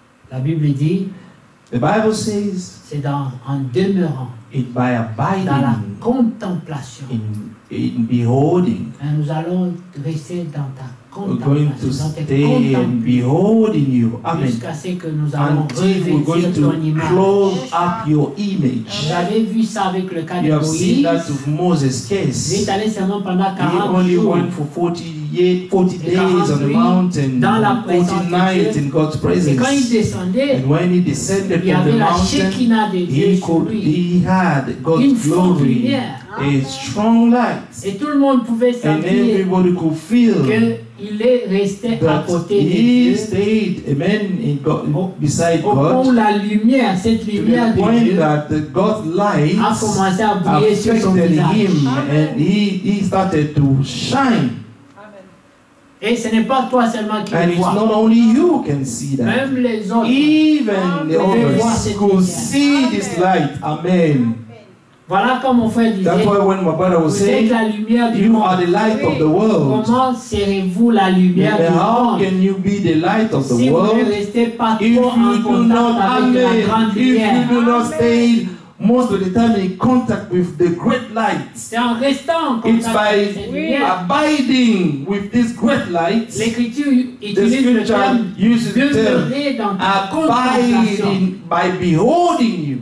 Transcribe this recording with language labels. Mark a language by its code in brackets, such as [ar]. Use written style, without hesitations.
[fr] La Bible dit. [en] The Bible says. [fr] C'est en demeurant. [en] It by abiding, [fr] dans la contemplation, [en] in beholding, [fr] et nous allons rester dans ta contemplation, [en] we're going to stay and behold in you, amen, [fr] jusqu'à ce que nous allons revêtir ton image. [en] Close up your image. [fr] Vous avez vu ça avec le cas de Moïse. [en] You have seen that with Moses' case. [fr] Il est allé seulement pendant 40 jours. [en] He only went for 40 days on the mountain, [fr] dans la [en] 40 nights in God's presence. [fr] Et quand il descendait, [en] and when he descended [fr] il [en] from the mountain, he had God's glory, a strong light, [fr] et tout le monde pouvait sentir, [en] and everybody could feel [fr] qu'il est resté à côté de Dieu. [en] He stayed, amen, beside God. [fr] Au point la lumière, cette lumière de Dieu, [en] that God's light [fr] a commencé à briller sur son visage, [en] and he started to shine. [fr] Et ce n'est pas toi seulement qui [en] and [fr] le [en] it's [fr] vois. [en] Not only you can see that. [fr] Même les autres. [en] Even the others could see this light. Amen. [fr] Voilà comme mon frère disait. [en] That's why when my brother was saying, [fr] la lumière du [en] you [fr] monde. [en] Are the light of the world. [fr] Comment serez-vous la lumière [en] and [fr] du [en] how [fr] monde? [en] How can you be the light of the [fr] si [en] world? [fr] Si vous ne restez pas trop en contact avec la grande lumière. [en] If you do not stay most of the time in contact with the great light. [fr] C'est en restant en contact [en] it's by abiding with this great light. [fr] L'écriture utilise [en] the term, uses the term abiding by beholding you.